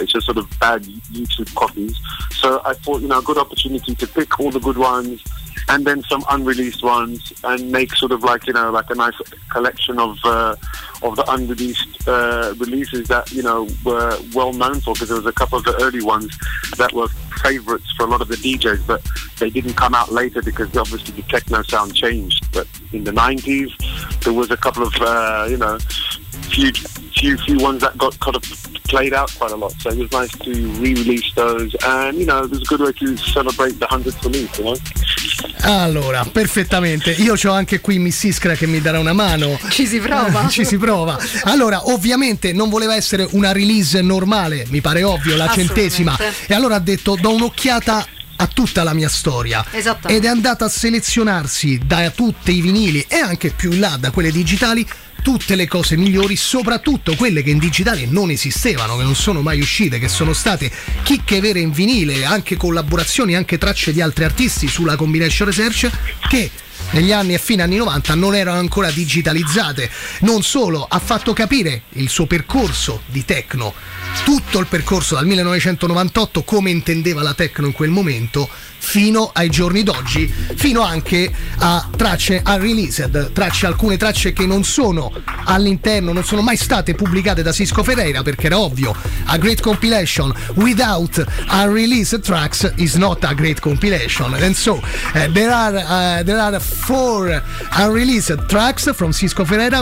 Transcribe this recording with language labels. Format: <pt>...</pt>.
<en>It's just sort of bad YouTube copies. So I thought, you know, a good opportunity to pick all the good ones and then some unreleased ones and make sort of like, you know, like a nice collection of the unreleased releases that, you know, were well known for, because there was a couple of the early ones that were favorites for a lot of the DJs, but they didn't come out later because obviously the techno sound changed. But in the 90s, there was a couple of, you know, few ones that got kind of played out quite a lot. So it was nice to re-release those. And, you know, it was a good way to celebrate the 100th release, you know?</en> <it>Allora, perfettamente. Io c'ho anche qui Miss Iskra che mi darà una mano. Ci si prova. Ci si prova. Allora, ovviamente non voleva essere una release normale, mi pare ovvio, la centesima. E allora ha detto: do un'occhiata a tutta la mia storia. Esatto. Ed è andata a selezionarsi da tutti i vinili e anche più in là, da quelle digitali, tutte le cose migliori, soprattutto quelle che in digitale non esistevano, che non sono mai uscite, che sono state chicche vere in vinile, anche collaborazioni, anche tracce di altri artisti sulla Combination Research, che negli anni e fine anni 90 non erano ancora digitalizzate. Non solo, ha fatto capire il suo percorso di techno, tutto il percorso dal 1998, come intendeva la techno in quel momento, fino ai giorni d'oggi, fino anche a tracce unreleased, tracce, alcune tracce che non sono all'interno, non sono mai state pubblicate da Cisco Ferreira, perché era ovvio,</it> <en>a great compilation without unreleased tracks is not a great compilation. And so there are four unreleased tracks from Cisco Ferreira.</en>